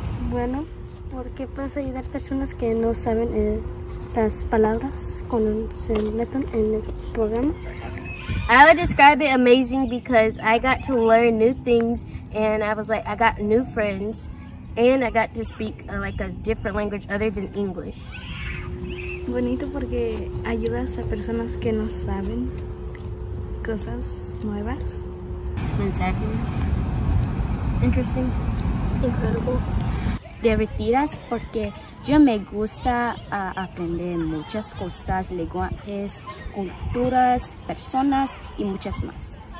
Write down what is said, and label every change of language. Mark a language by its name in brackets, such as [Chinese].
[Spanish] Bueno, porque puedes ayudar personas que no saben las palabras cuando se meten en el programa. [English] I would describe it amazing because I got to learn new things, and I was like, I got new friends, and I got to speak like a different language other than English. [Spanish] Bonito porque ayudas a personas que no saben cosas nuevas. [English] Spectacular. Interesting. Incredible. [Spanish] Divertidas porque yo me gusta aprender muchas cosas, lenguajes, culturas, personas y muchas más.